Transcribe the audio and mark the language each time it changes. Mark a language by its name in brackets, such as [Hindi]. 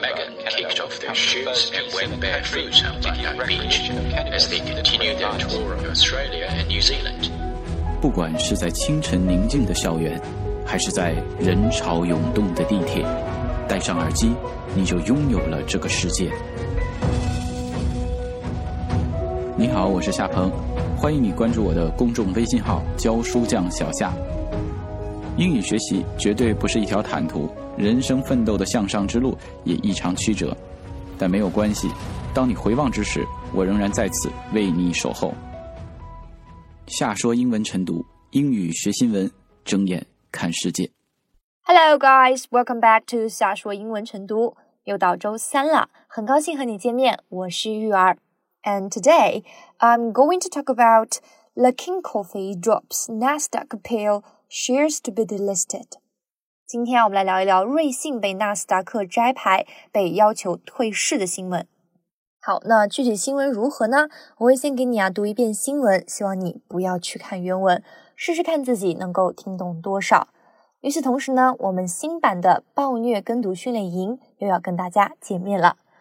[English] Megan kicked off their shoes and went barefoot on the beach as they continued their tour of Australia and New Zealand. [Chinese] 不管是在清晨宁静的校园，还是在人潮涌动的地铁，戴上耳机，你就拥有了这个世界。你好，我是夏鹏，欢迎你关注我的公众微信号“教书匠小夏”。英语学习绝对不是一条坦途，人生奋斗的向上之路也异常曲折，但没有关系，当你回望之时，我仍然在此为你守候。夏说英文晨读，英语学新闻，睁眼看世界。 [English] Hello guys, welcome back to [Chinese] 夏说英文晨读，又到周三了，很高兴和你见面，我是玉儿。 [English] And today, I'm going to talk about Luckin Coffee drops Nasdaq appeal shares to be delisted. [Chinese] 今天我们来聊一聊瑞幸被纳斯达克摘牌，被要求退市的新闻。好，那具体新闻如何呢？我会先给你啊读一遍新闻，希望你不要去看原文，试试看自己能够听懂多少。与此同时呢，我们新版的暴虐跟读训练营又要跟大家见面了。